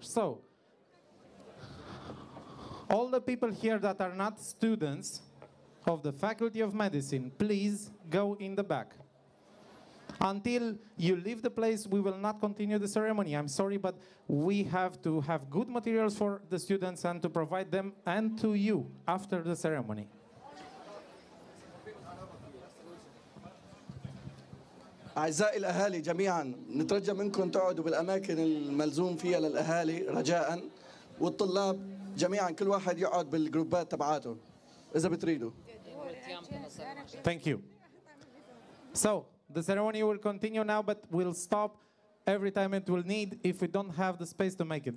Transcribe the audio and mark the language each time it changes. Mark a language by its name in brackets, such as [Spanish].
[English] So, all the people here that are not students of the Faculty of Medicine, please go in the back. Until you leave the place, we will not continue the ceremony. I'm sorry, but we have to have good materials for the students and to provide them and to you after the ceremony. [Arabic] أعزائي الأهالي جميعاً نترجى منكم تقعدوا بالأماكن الملزوم فيها للأهالي رجاءً والطلاب جميعاً كل واحد يقعد بالجروبات تبعاته إذا بتريدوا. [English] Thank you. So, the ceremony will continue now, but will stop every time it will need if we don't have the space to make it.